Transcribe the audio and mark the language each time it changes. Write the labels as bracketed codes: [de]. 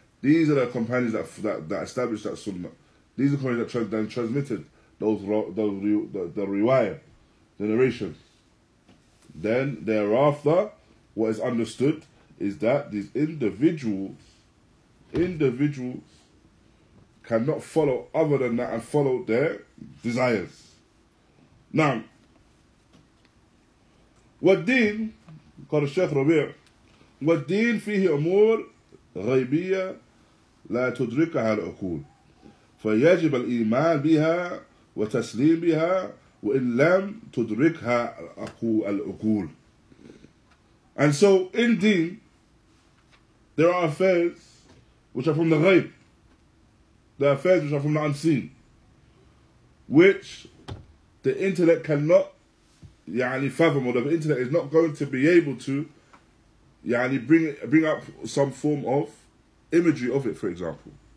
[en] These are the companions that established that sunnah. These are the companions that then transmitted the riwayah, the narration. Then thereafter, what is understood is that these individuals cannot follow other than that and follow their desires. [ar] Now, wad-deen, قال الشيخ ربيع والدين فيه أمور غيبية لا تدركها العقول فيجب الإيمان بها وتسليم بها وإن لم تدركها العقول. [en] And so in deen there are affairs which are from the ghaib, the affairs which are from the unseen, which the intellect cannot يعني fathom, or the intellect is not going to be able to يعني bring up some form of imagery of it, for example.